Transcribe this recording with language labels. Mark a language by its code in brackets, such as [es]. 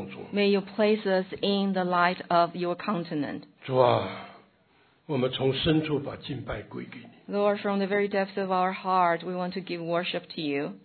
[en] May you place us in the light of your countenance. [zh] 主啊，我们从深处把敬拜归给你。 [en] Lord, from the very depths of our heart, we want to give worship to you.